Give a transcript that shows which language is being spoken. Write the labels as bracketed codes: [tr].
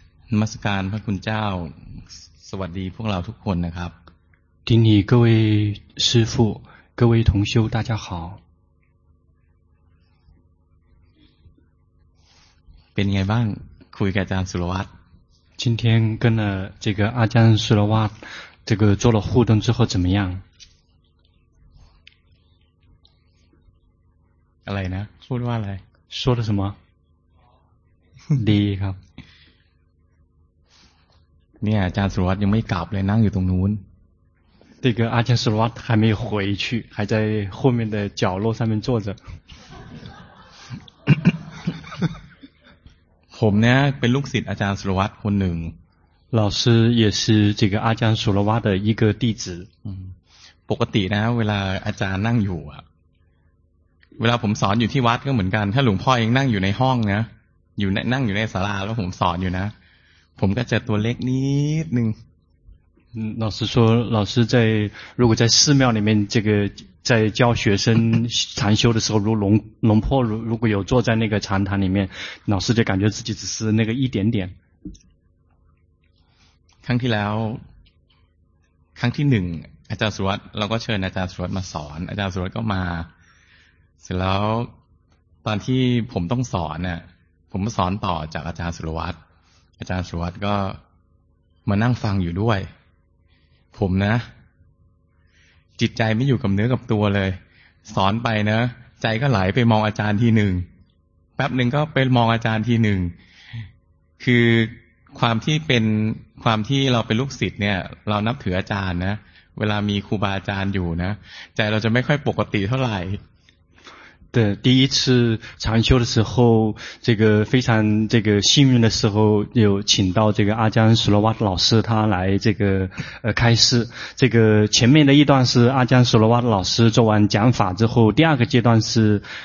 [th] นมัสการพระคุณเจ้าสวัสดีพวกเราทุกคนนะครับ ทีนี้ [zh] 各位师父各位同修大家好 [th] เป็นไงบ้างคุยกับอาจารย์สุรวัตร [zh] 今天跟了这个阿江苏罗瓦这个做了互动之后怎么样 [th] อะไรนะพูดว่าอะไร [zh] 说的什么 [th] ดีครับ เนี่ยอาจารย์สุรวัตรยังไม่กลับเลยนั่งอยู่ตรงนู้น [zh] 这个阿江苏罗瓦还没回去还在后面的角落上面坐着 [th] ผมเนี่ยเป็นลูกศิษย์อาจารย์สุรวัตรคนหนึ่ง [zh] 老师也是这个阿江苏罗瓦的一个弟子 [th] ปกตินะเวลาอาจารย์นั่งอยู่อะเวลาผมสอนอยู่ที่วัดก็เหมือนกันถ้าหลวงพ่อเองนั่งอยู่ในห้องนะอยู่ในนั่งอยู่ในศาลาแล้วผมสอนอยู่นะผมก็จะตัวเล็กนิดนึง [zh] 老师说老师在如果在寺庙里面这个在教学生禅修的时候如龙婆如果有坐在那个禅堂里面老师就感觉自己只是那个一点点 [th] ครั้งที่แล้วครั้งที่หนึ่งอาจารย์สุรวัตรเราก็เชิญอาจารย์สุรวัตรมาสอนอาจารย์สุรวัตรก็มาเสร็จแล้วตอนที่ผมต้องสอนน่ะผมสอนต่อจากอาจารย์สุรวัตรอาจารย์สุรวัตรก็มานั่งฟังอยู่ด้วยผมนะ จิตใจไม่อยู่กับเนื้อกับตัวเลยสอนไปนะใจก็ไหลไปมองอาจารย์ทีหนึ่งแป๊บหนึ่งก็ไปมองอาจารย์ทีหนึ่งคือความที่เราเป็นลูกศิษย์เนี่ยเรานับถืออาจารย์นะเวลามีครูบาอาจารย์อยู่นะใจเราจะไม่ค่อยปกติเท่าไหร่ [zh] 的第一次禅修的时候这个非常这个幸运的时候有请到这个阿江苏罗瓦老师他来这个开示这个前面的一段是阿江苏罗瓦老师做完讲法之后第二个阶段是